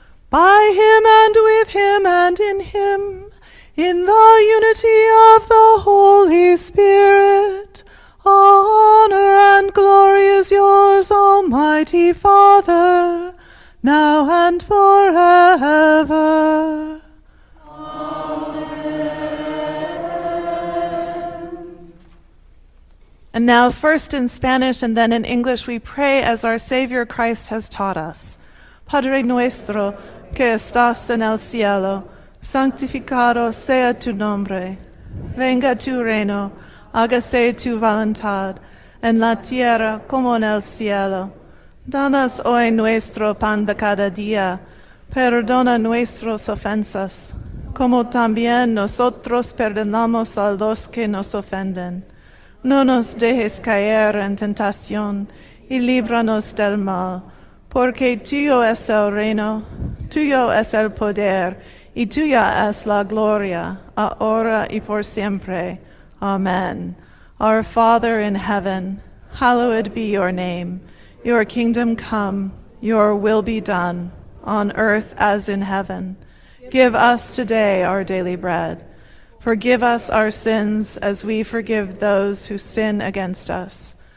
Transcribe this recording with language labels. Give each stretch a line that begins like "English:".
English: By him and with him and in him, in the unity of the Holy Spirit, all honor and glory is yours, Almighty Father, now and forever. Amen. And now, first in Spanish and then in English, we pray as our Savior Christ has taught us.
Spanish: Padre nuestro, que estás en el cielo, santificado sea tu nombre. Venga tu reino, hágase tu voluntad, en la tierra como en el cielo. Danos hoy nuestro pan de cada día, perdona nuestras ofensas, como también nosotros perdonamos a los que nos ofenden. No nos dejes caer en tentación, y líbranos del mal, porque tuyo es el reino, tuyo es el poder, y tuya es la gloria, ahora y por siempre. Amen.
English: Our Father in heaven, hallowed be your name. Your kingdom come, your will be done, on earth as in heaven. Give us today our daily bread. Forgive us our sins as we forgive those who sin against us.